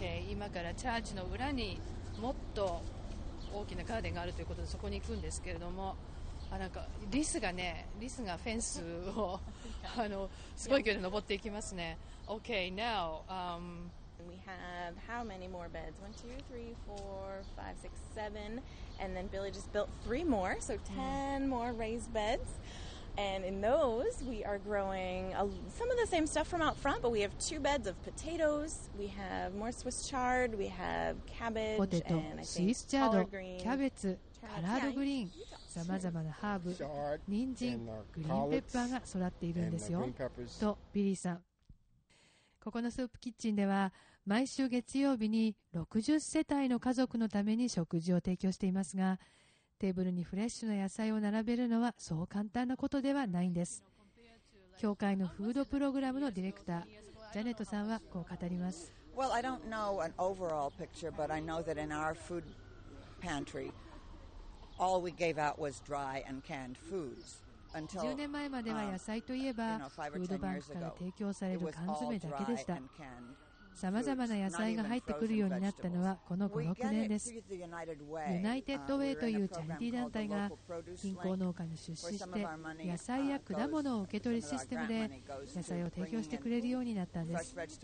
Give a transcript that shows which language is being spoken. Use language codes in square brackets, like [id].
[ja] 今からチャーチの裏にもっと大きなガーデンがあるということでそこに行くんですけれども、あ、なんかリスがね、リスがフェンスをあのすごい勢いで登っていきますね。 [en] Okay, now, we have how many more beds? 1, 2, 3, 4, 5, 6, 7. And then Billy just built 3 more, so 10 more raised beds. And in those, we are growing some of the same stuff from out front, but we have 2 beds of potatoes, we have more Swiss chard, we have cabbage, and I think Swiss chard, collard greens, carrots, collard greens. [ja] さまざまなハーブ、人参、グリーンペッパーが育っているんですよとビリーさん。ここのスープキッチンでは毎週月曜日に60世帯の家族のために食事を提供していますが、テーブルにフレッシュな野菜を並べるのはそう簡単なことではないんです。教会のフードプログラムのディレクタージャネットさんはこう語ります。 [en] Well, I don't know an overall picture, but I know that in our food pantryAll we gave out was dry and canned foods. Until, [ja] 10年前までは野菜といえばフードバンクから提供される缶詰だけでした。さまざまな野菜が入ってくるようになったのはこの 5,6 年です。ユナイテッドウェイというチャリティー団体が近郊農家に出資して野菜や果物を受け取るシステムで野菜を提供してくれるようになったんです。